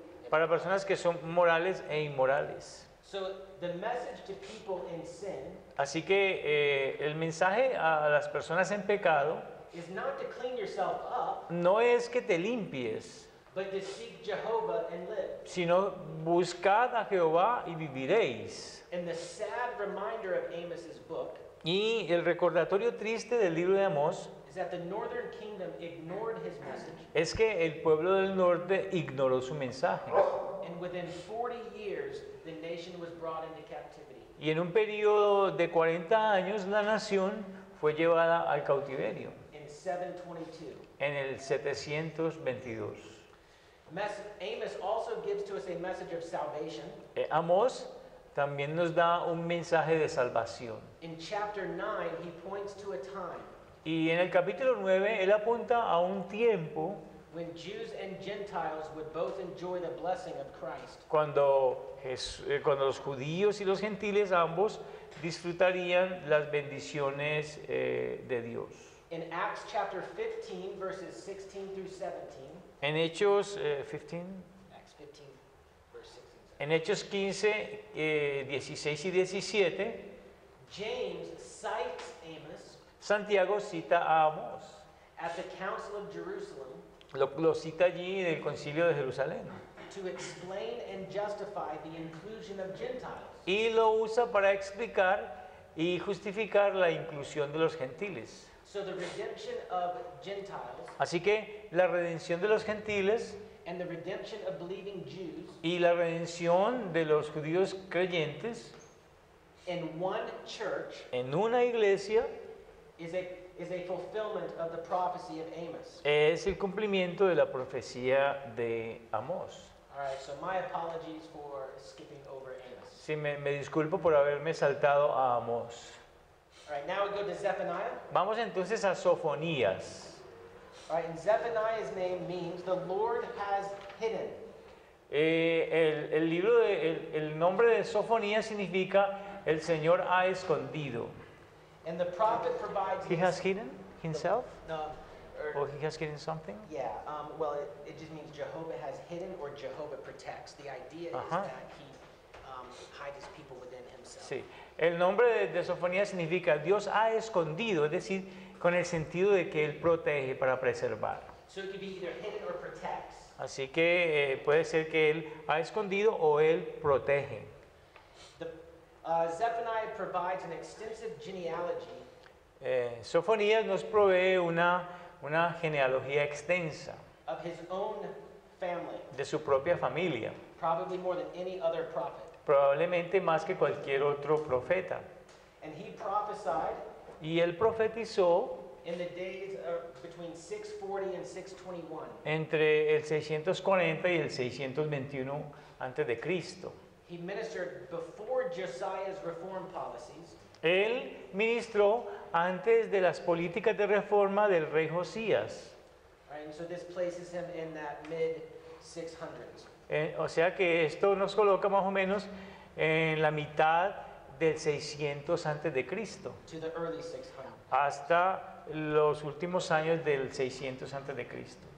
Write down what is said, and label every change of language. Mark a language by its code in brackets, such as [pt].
[es] Para personas que son morales e inmorales. [en] So the message to people in sin, [es] así que el mensaje a las personas en pecado [en] is not to clean yourself up, [es] no es que te limpies, [en] But to seek Jehovah and live. [es] Sino buscad a Jehová y viviréis. [en] And the sad reminder of Amos's book. [es] Y el recordatorio triste del libro de Amós. [en] Is that the northern kingdom ignored his message. [es] Es que el pueblo del norte ignoró su mensaje. [en] And within 40 years, the nation was brought into captivity. [es] Y en un periodo de 40 años, la nación fue llevada al cautiverio. [en] In 722. [es] En el 722. [en] Amos also gives to us a message of salvation. [es] Amós también nos da un mensaje de salvación. [en] In chapter 9, he points to a time. [es] Y en el capítulo 9, él apunta a un tiempo. [en] When Jews and Gentiles would both enjoy the blessing of Christ. [es] Cuando los judíos y los gentiles ambos disfrutarían las bendiciones de Dios. [en] In Acts chapter 15, verses 16 through 17. [es] En Hechos 15. [en] Acts 15, verse 16. [es] En Hechos 15, 16 y 17. [en] James cites Amos. [es] Santiago cita a Amós. [en] At the Council of Jerusalem. [es] Lo cita allí en el Concilio de Jerusalén. [en] To explain and justify the inclusion of Gentiles. [es] Y lo usa para explicar y justificar la inclusión de los gentiles. [en] So the redemption of Gentiles. [es] Así que la redención de los gentiles. [en] And the redemption of believing Jews. [es] Y la redención de los judíos creyentes. [en] In one church. [es] En una iglesia. [en] Is a fulfillment of the prophecy of Amos. [es] Es el cumplimiento de la profecía de Amós. [en] All right, so my apologies for skipping over Amos. [es] Sí, me disculpo por haberme saltado a Amós. [en] All right, now we go to Zephaniah. [es] Vamos entonces a Sofonías. [en] All right, and Zephaniah's name means the Lord has hidden. [es] El nombre de Sofonías significa el Señor ha escondido. [en] And the prophet provides. He has hidden himself. Or he has hidden something. Yeah. It just means Jehovah has hidden or Jehovah protects. The idea is that he hides people within himself. [es] Sí. El nombre de Sofonía significa Dios ha escondido, es decir, con el sentido de que él protege para preservar. [en] So it could be either hidden or protects. [es] Así que puede ser que él ha escondido o él protege. [en] Zephaniah provides an extensive genealogy. [es] Sofonías nos provee una genealogía extensa. [en] Of his own family. [es] De su propia familia. [en] Probably more than any other prophet. [es] Probablemente más que cualquier otro profeta. [en] And he prophesied. [es] Y él profetizó. [en] In the days of between 640 and 621. [es] Entre el 640 y el 621 antes de Cristo. [en] He ministered before Josiah's reform policies. [es] Él ministró antes de las políticas de reforma del rey Josías. [en] Right, and so this places him in that mid-600s. [es] O sea que esto nos coloca más o menos en la mitad del 600 antes de Cristo. [en] To the early 600s. [es] Hasta los últimos años del 600 antes de Cristo.